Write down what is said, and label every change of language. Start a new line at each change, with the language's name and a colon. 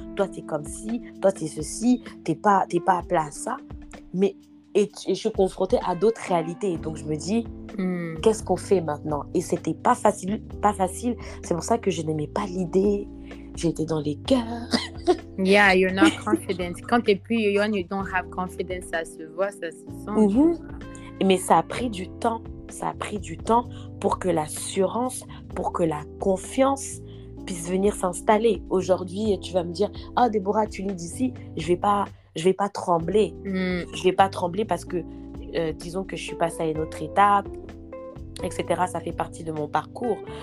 French: Toi, t'es comme ci, toi, t'es ceci, t'es pas appelé à ça. Mais et je suis confrontée à d'autres réalités. Donc, je me dis, qu'est-ce qu'on fait maintenant? Et c'était pas facile. C'est pour ça que je n'aimais pas l'idée. J'étais dans les cœurs.
English: Yeah, you're not confident.
French: Quand t'es plus
English: young, you don't have confidence.
French: Ça se voit, ça se sent. Mais ça a pris du temps. Ça a pris du temps pour que l'assurance, pour que la confiance puisse venir s'installer. Aujourd'hui, tu vas me dire, « Oh, Déborah, tu lis d'ici, je vais pas trembler. Je vais pas trembler parce que, disons que je suis passée à une autre étape, etc. » Ça fait partie de mon parcours.